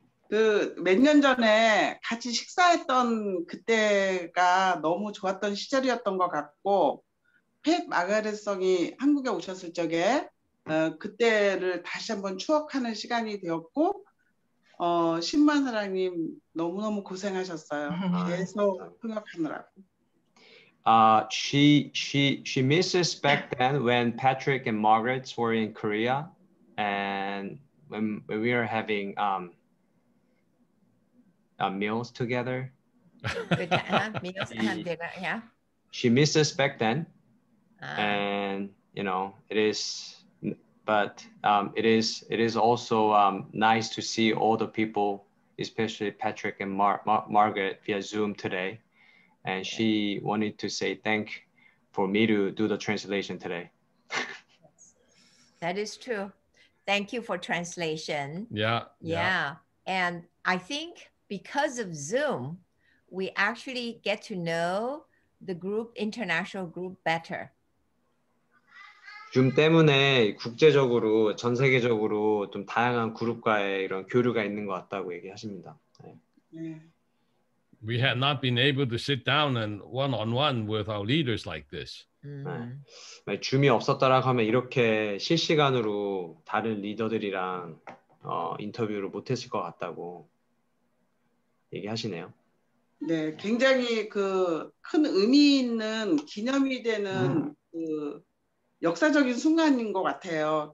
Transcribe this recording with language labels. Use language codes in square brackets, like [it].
[ko] 그 몇 년 전에 같이 식사했던 그때가 너무 좋았던 시절이었던 것 같고 펫 마가렛성이 한국에 오셨을 적에 그때를 다시 한번 추억하는 시간이 되었고 신만 사장님 너무너무 고생하셨어요. 계속 통역하느라고. [en] She misses back then when Patrick and Margaret were in Korea and when we were having meals together. Meals and dinner, yeah. She misses back then. And you know, it is But it is also nice to see all the people, especially Patrick and Margaret via Zoom today. And she wanted to say thank for me to do the translation today. Yes. That is true. Thank you for translation. Yeah. And I think because of Zoom, we actually get to know the group, international group better. [ko] 줌 때문에 국제적으로 전 세계적으로 좀 다양한 그룹과의 이런 교류가 있는 것 같다고 얘기하십니다. [en] 네. We had not been able to sit down and one-on-one with our leaders like this. [ko] 네. 줌이 없었다라고 하면 이렇게 실시간으로 다른 리더들이랑 인터뷰를 못했을 것 같다고 얘기하시네요. 네, 굉장히 그 큰 의미 있는 기념이 되는 그 역사적인 순간인 것 같아요.